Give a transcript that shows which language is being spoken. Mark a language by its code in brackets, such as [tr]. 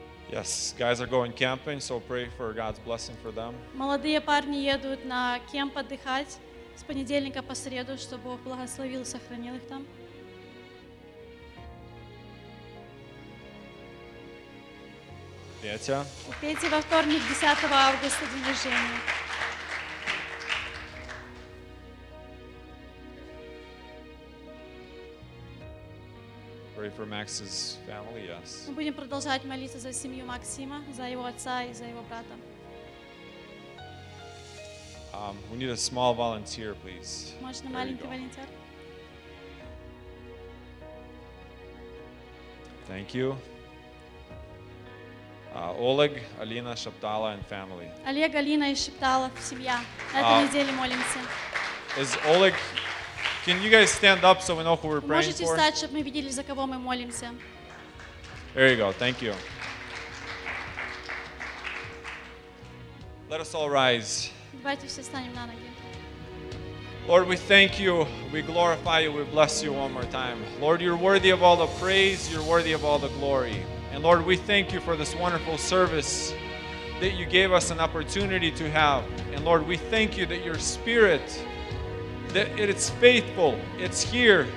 [en] Yes, guys are going camping, so pray for God's blessing for them. [ru] Молодые парни едут на кемп отдыхать с понедельника по среду, чтобы Бог благословил и сохранил их там. Петя. У Пети во вторник, 10 августа, день рождения. [en] Pray for Max's family, yes. [ru] Мы будем продолжать молиться за семью Максима, за его отца и за его брата. [en] We need a small volunteer, please. [ru] Можно маленький волонтер? [en] Thank you. Oleg, Alina, Shaptala, and family. [ru] Олег, Алина и Шептала, семья. На этой неделе молимся. [en] Is Oleg? Can you guys stand up so we know who we're praying for? [ru] Можете встать, чтобы мы видели, за кого мы молимся. [en] There you go. Thank you. Let us all rise. [ru] Давайте все встанем на ноги. [en] Lord, we thank you, we glorify you, we bless you one more time. Lord, you're worthy of all the praise, you're worthy of all the glory. And Lord, we thank you for this wonderful service that you gave us an opportunity to have. And Lord, we thank you that your Spirit, that it's faithful, it's here.